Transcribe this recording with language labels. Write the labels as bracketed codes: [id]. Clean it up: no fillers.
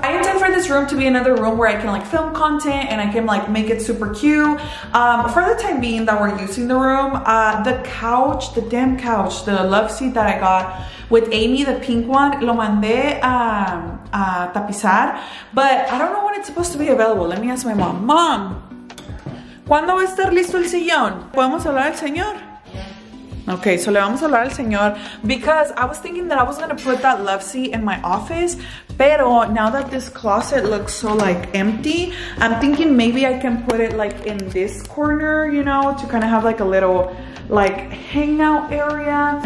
[en] I intend for this room to be another room where I can like film content and I can like make it super cute. For the time being that we're using the room, the couch, the damn couch, the love seat that I got with Amy, the pink one, [es] lo mandé a tapizar, [en] but I don't know when it's supposed to be available. Let me ask my mom. [es] Mom, ¿cuándo va a estar listo el sillón? ¿Podemos hablar al señor? [en] Okay, so [es] le vamos a hablar al señor [en] because I was thinking that I was gonna put that love seat in my office, pero now that this closet looks so like empty, I'm thinking maybe I can put it like in this corner, you know, to kind of have like a little like hangout area.